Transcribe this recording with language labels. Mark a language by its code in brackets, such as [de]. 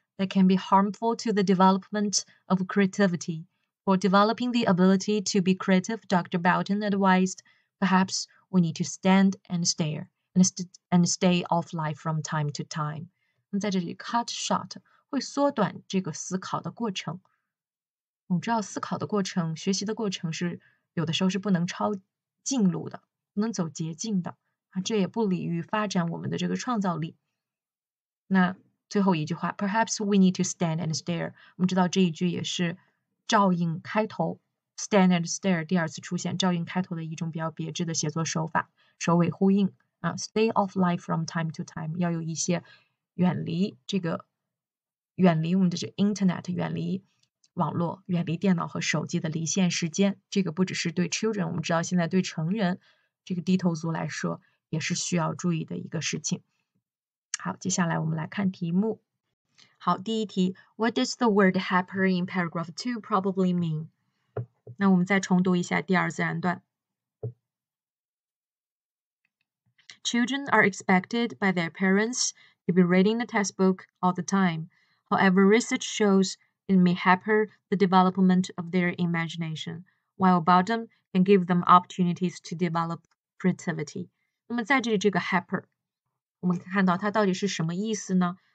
[en] That can be harmful to the development of creativity. For developing the ability to be creative, Dr. Belton advised, perhaps we need to stand and stare and stay offline from time to time. [zh] 那在这里 cut short 会缩短这个思考的过程。我们知道思考的过程、学习的过程是有的时候是不能抄近路的，不能走捷径的啊，这也不利于发展我们的这个创造力。那最后一句话 ， [en] perhaps we need to stand and stare。 [zh] 我们知道这一句也是照应开头 ， [en] stand and stare [zh] 第二次出现，照应开头的一种比较别致的写作手法，首尾呼应啊 ， [en] stay off life from time to time， [zh] 要有一些远离这个，远离我们的这 internet， 远离网络，远离电脑和手机的离线时间。这个不只是对 children， 我们知道现在对成人这个低头族来说也是需要注意的一个事情。好，接下来我们来看题目。好，第一题 [en] ，What does the word happier in paragraph two probably mean？ [zh] 那我们再重读一下第二自然段。 [en] Children are expected by their parents to be reading the textbook all the time. However, research shows it may hamper the development of their imagination, while boredom can give them opportunities to develop creativity. [zh] 那么在这里这个 hamper。我们看到它到底是什么意思呢？